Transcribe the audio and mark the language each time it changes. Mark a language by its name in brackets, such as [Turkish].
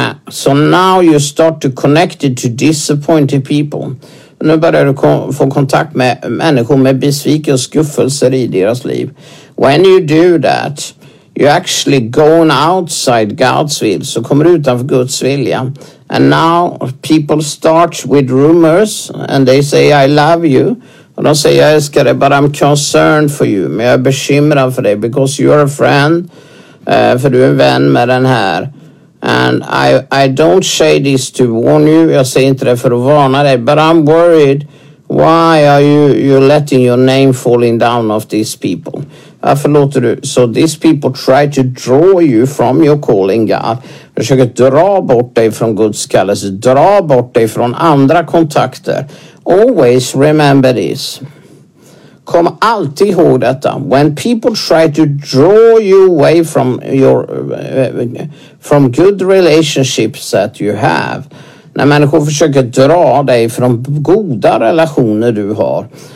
[English] So now you start to connect it to disappointed people. [Swedish] Nu börjar du få kontakt med människor med besvikelse och skuffelser i deras liv. [English] When you do that, you actually going outside God's will. [Swedish] Så kommer du utanför Guds vilja. [English] And now people start with rumors and they say I love you. [Swedish] Och de säger jag älskar dig, [English] but I'm concerned for you. [Swedish] Men jag är bekymrad för dig [English] because you're a friend. [Swedish] För du är en vän med den här. [English] And I don't say this to warn you. [Swedish] Jag säger inte det för att varna dig. [English] But I'm worried. Why are you letting your name falling down of these people? [Swedish] Varför låter du? [English] So these people try to draw you from your calling, God. [Swedish] Försöker dra bort dig från Guds kallelse. Dra bort dig från andra kontakter. [English] Always remember this. [Swedish] Kom alltid ihåg detta. [English] When people try to draw you away from your from good relationships that you have. [Swedish] När människor försöker dra dig från goda relationer du har.